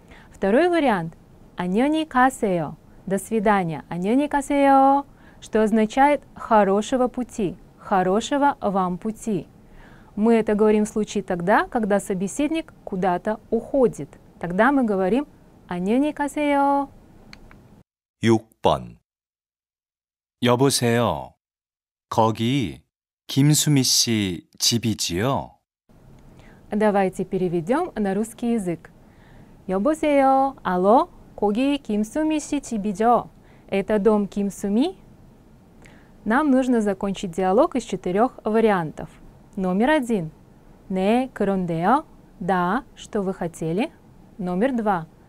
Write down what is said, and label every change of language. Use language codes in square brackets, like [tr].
[ru] Второй вариант [ko] «안녕히 가세요», [ru] «до свидания», «안녕히 가세요», что означает «хорошего пути», «хорошего вам пути». Мы это говорим в случае тогда, когда собеседник куда-то уходит. Тогда мы говорим [ko] 안녕히 가세요. 6번. 여보세요. 거기 김수미 씨 집이지요? [ru] Давайте переведем на русский язык. [ko] 여보세요. [ru] Алло. [ko] 거기 김수미 씨 집이죠? [ru] Это дом Кимсуми? Нам нужно закончить диалог из четырех вариантов. Номер один. [ko] 네, 그런데요. [ru] Да, что вы хотели? Номер два.